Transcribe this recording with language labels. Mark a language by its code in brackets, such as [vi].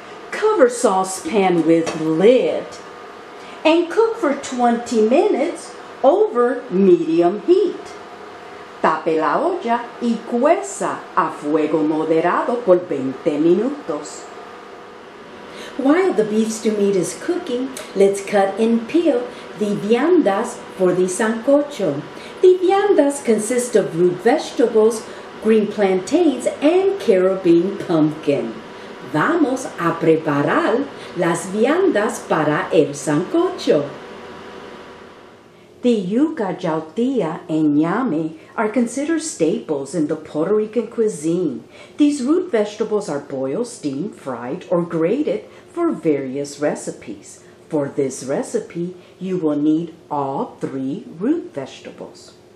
[en] Cover saucepan with lid and cook for 20 minutes over medium heat. [es] Tape la olla y cueza a fuego moderado por 20 minutos. [en] While the beef stew meat is cooking, let's cut and peel the viandas for the sancocho. The viandas consist of root vegetables, green plantains, and Caribbean pumpkin. [es] Vamos a preparar las viandas para el sancocho. [en] The yuca, jautia, and ñame are considered staples in the Puerto Rican cuisine. These root vegetables are boiled, steamed, fried, or grated for various recipes. For this recipe, you will need all 3 root vegetables.